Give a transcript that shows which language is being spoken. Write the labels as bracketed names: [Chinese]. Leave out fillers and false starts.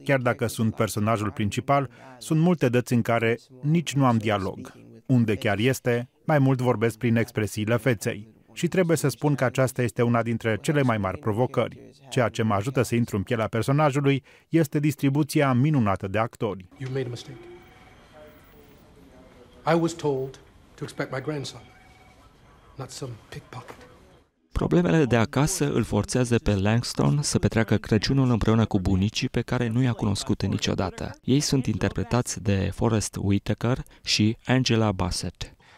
[Romanian] Chiar dacă sunt personajul principal, sunt multe dăți în care nici nu am dialog. Unde chiar este, mai mult vorbesc prin expresiile feței. Și trebuie să spun că aceasta este una dintre cele mai mari provocări. Ceea ce mă ajută să intru în pielea personajului este distribuția minunată de actori. [English] You made a mistake. I was told to expect my grandson, not some pickpocket. [Romanian] Problemele de acasă îl forțează pe Langston să petreacă Crăciunul împreună cu bunicii pe care nu i-a cunoscut niciodată. Ei sunt interpretați de Forest Whitaker și Angela Bassett.